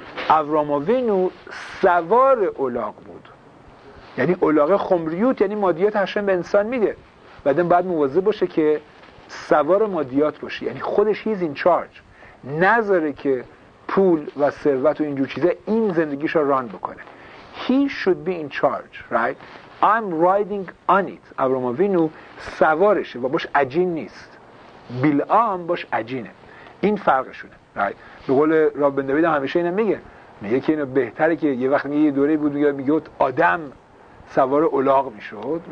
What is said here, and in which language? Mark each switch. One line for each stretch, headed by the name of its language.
Persian: ابراهام اوینو سوار الاغ بود. یعنی الاغ خمریوت، یعنی مادیات هشم به انسان میده. بعدم بعد مواظب باشه که سوار مادیات باشه. یعنی خودش
English: He's in charge.
Persian: نذاره که پول و ثروت و اینجور چیزه این زندگیشو ران بکنه.
English: He should be in charge, right? I'm riding on it.
Persian: ابراهام اوینو سوارشه و باش عجین نیست. بیلعام باش عجینه. این فرقشونه.
English: Right.
Persian: به قول راب بن دوید همیشه اینم میگه. میگه که اینو بهتره که یه وقت میگه یه دوره بود میگه آدم سوار الاغ میشد.